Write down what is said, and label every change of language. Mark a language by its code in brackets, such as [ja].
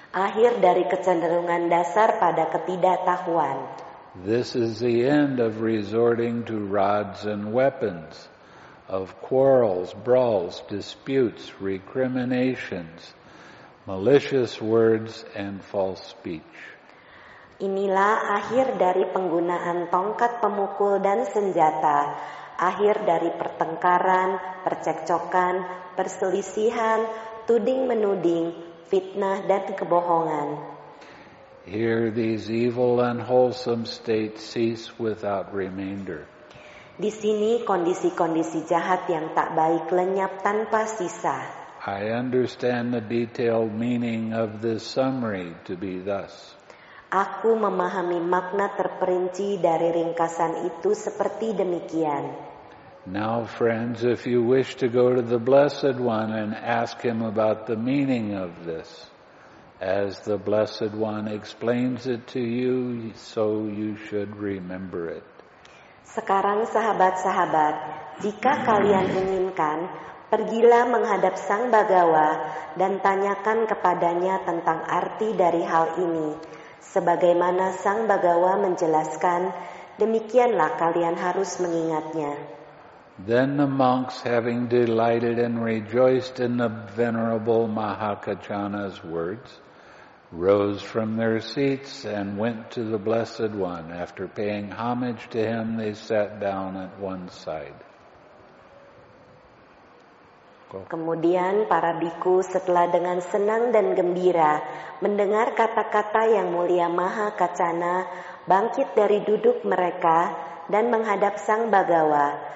[id] Akhir dari kecenderungan dasar pada ketidaktahuan. [en] This is the end of resorting to rods and weapons, of quarrels, brawls, disputes, recriminations, malicious words, and false speech. [id] Inilah akhir dari penggunaan tongkat pemukul dan senjata, akhir dari pertengkaran, percekcokan, perselisihan, tuding-menuding, fitnah, dan kebohongan. [en] Here these evil and wholesome states cease without remainder. [id] Di sini kondisi-kondisi jahat yang tak baik lenyap tanpa sisa. [en] I understand the detailed meaning of this summary to be thus. [id] Aku memahami makna terperinci dari ringkasan itu seperti demikian. [en] Now, friends, if you wish to go to the Blessed One and ask him about the meaning of this, as the Blessed One explains it to you, so you should remember it. [id] Sekarang, sahabat-sahabat, jika kalian inginkan, pergilah menghadap Sang Bhagava dan tanyakan kepadanya tentang arti dari hal ini. Sebagaimana Sang Bhagava menjelaskan, demikianlah kalian harus mengingatnya. [en] Then the monks, having delighted and rejoiced in the venerable Mahakachana's words, rose from their seats and went to the Blessed One. After paying homage to him, they sat down at one side. [id] Kemudian para bhikkhu setelah dengan senang dan gembira mendengar kata-kata yang mulia Mahakachana, bangkit dari duduk mereka dan menghadap Sang Bhagava.